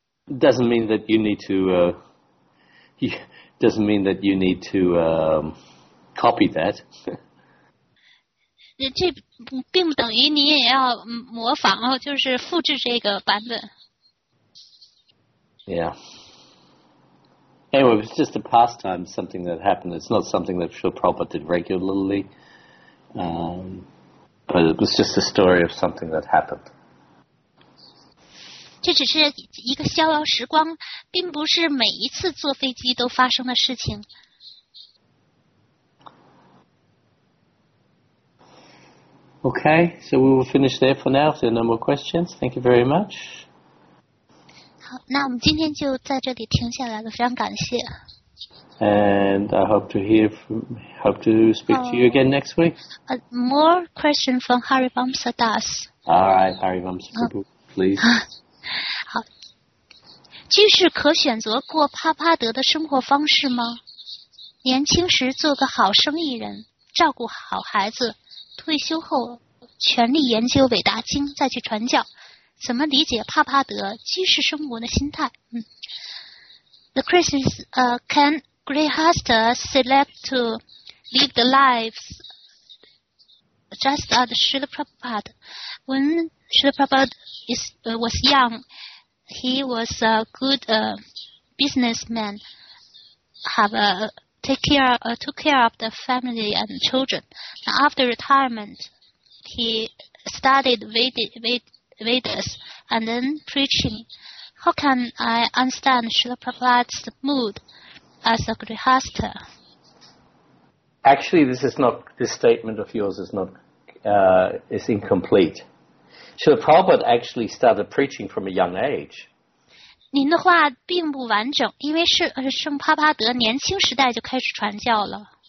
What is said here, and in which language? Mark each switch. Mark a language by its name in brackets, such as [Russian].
[English] doesn't mean that you need to copy that. [Chinese] 这并不等于你也要模仿，就是复制这个版本。 [English] Yeah. Anyway, it's just a pastime, something that happened. It's not something that Srila Prabhupada did regularly. But it was just a story of something that happened. [Chinese] 这只是一个逍遥时光，并不是每一次坐飞机都发生的事情。 [English] Okay, so we will finish there for now. If there are no more questions, thank you very much. [Chinese] 好，那我们今天就在这里停下来了，非常感谢。 [English] And I hope to speak to you again next week. More question from Hari Vamsa Das. All right, Hari Vamsa, please. [Chinese] 好，居士可选择过帕帕德的生活方式吗？年轻时做个好生意人，照顾好孩子。退休后全力研究伟大经再去传教，怎么理解帕帕德居士生活的心态？ [English] The question is, can Grihastha select to live the lives just as Srila Prabhupada? When Srila Prabhupada was young, he was a good businessman, have a took care of the family and children. Now, after retirement, he studied Vedas and then preaching. How can I understand Srila Prabhupada's mood as a grihastha? Actually, this statement of yours is not is incomplete. Srila Prabhupada actually started preaching from a young age. [Chinese] 您的话并不完整，因为是圣帕巴德年轻时代就开始传教了。